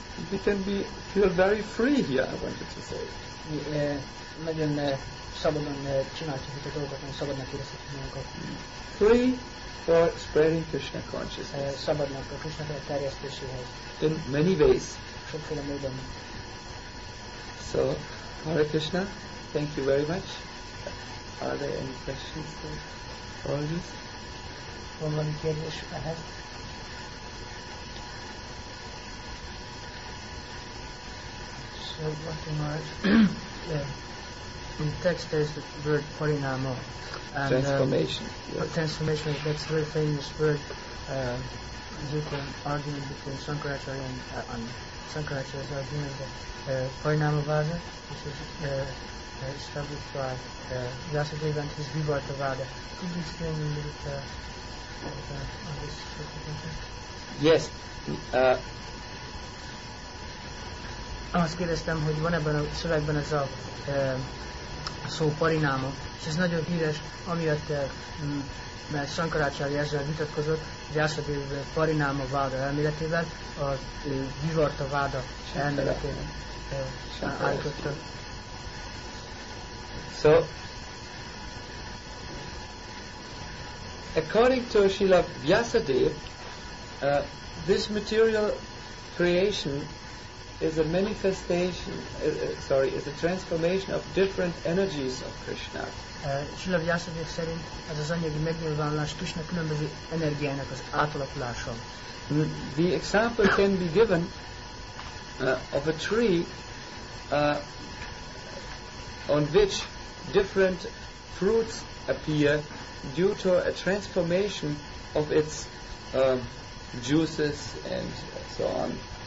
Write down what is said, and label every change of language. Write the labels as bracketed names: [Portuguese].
[English] We can be feel very free here. I wanted to say. [Hungarian] Nagyon szabadon csinálhatjuk a dolgokat, nem szabadnak érezhetjük magunkat. [English] Free for spreading Krishna consciousness. [Hungarian] Szabadnak a Krishna terjesztéséhez. [English] In many ways. [Hungarian] Sokféle módon. [English] So, Hare Krishna, thank you very much. Are there any questions for all of this? [Hungarian] Van valami kérdés ehhez? [English] So, what you might... In the text there is the word parinama. Transformation. Yes. Transformation, that's a very famous word. You can argue between Shankaracharya and Shankaracharya's argument that parinama vada, which is established by Vyasadeva and his Vibhata vada. Could you explain a little bit on this? Yes. [Hungarian] Azt kérdeztem, hogy van ebben a szövegben ez a szó parináma, és ez nagyon híres, amiatt, mert Shankaracharya ezzel vitatkozott, hogy Vyasadev parináma váda elméletével, a Vivarta váda elméletével állította. [English] So, according to Srila Vyasadev, this material creation is a manifestation, sorry, is a transformation of different energies of Krishna. [Hungarian] Srila Vyasadeva szerint ez az anyagi megnyilvánulás Krishna különböző energiának az átalakulása. [English] The example can be given of a tree on which different fruits appear due to a transformation of its juices and so on.